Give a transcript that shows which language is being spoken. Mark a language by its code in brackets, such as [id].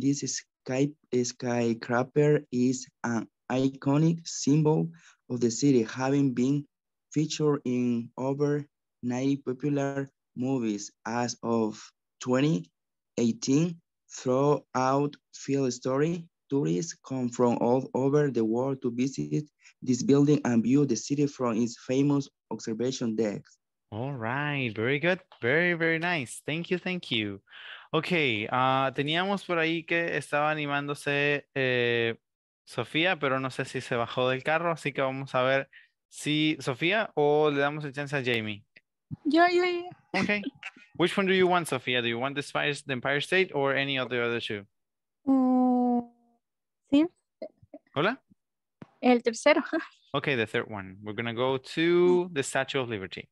[en] This skyscraper is an iconic symbol of the city, having been featured in over 90 popular movies as of 2018. Throughout Field Story, tourists come from all over the world to visit this building and view the city from its famous observation deck. All right, very good. Very, very nice. Thank you, thank you. [es] Okay, teníamos por ahí que estaba animándose Sofía, pero no sé si se bajó del carro, así que vamos a ver si Sofía o le damos el chance a Jamie. [en] Yeah. Okay. Which one do you want, Sofía? Do you want the Empire State or any of the other two? [es] Sí. Hola. El tercero. [en] Okay, the third one. We're going to go to the Statue of Liberty.